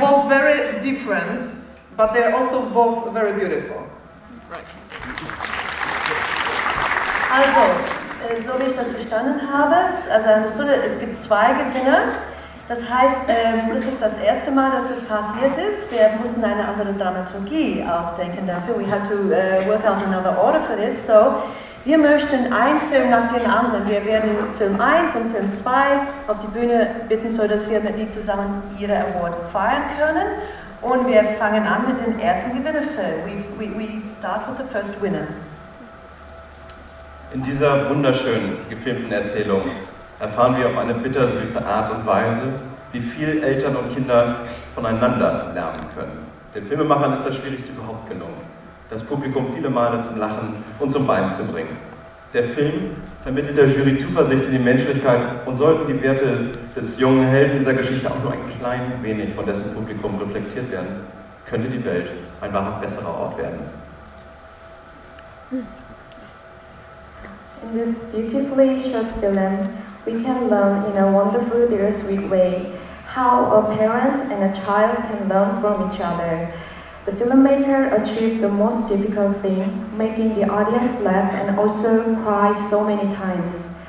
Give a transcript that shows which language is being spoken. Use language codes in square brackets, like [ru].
[en] both very different, but they are also both very beautiful. Right. [de] Also, so wie ich das verstanden habe, also es gibt zwei Gewinner. Das heißt, das ist das erste Mal, dass es passiert ist. Wir mussten eine andere Dramaturgie ausdenken dafür. [en] We had to work out another order for this. [de] So, wir möchten einen Film nach dem anderen. Wir werden Film 1 und Film 2 auf die Bühne bitten, sodass wir mit die zusammen ihre Award feiern können. Und wir fangen an mit dem ersten Gewinnerfilm. [en] We start with the first winner. [de] In dieser wunderschönen gefilmten Erzählung erfahren wir auf eine bittersüße Art und Weise, wie viel Eltern und Kinder voneinander lernen können. Den Filmemachern ist das Schwierigste überhaupt gelungen, das Publikum viele Male zum Lachen und zum Weinen zu bringen. Der Film vermittelt der Jury Zuversicht in die Menschlichkeit und sollten die Werte des jungen Helden dieser Geschichte auch nur ein klein wenig von dessen Publikum reflektiert werden, könnte die Welt ein wahrhaft besserer Ort werden. [en] In this beautifully short film, we can learn in a wonderful, bittersweet way how a parent and a child can learn from each other. The filmmaker achieved the most difficult thing, making the audience laugh and also cry so many times.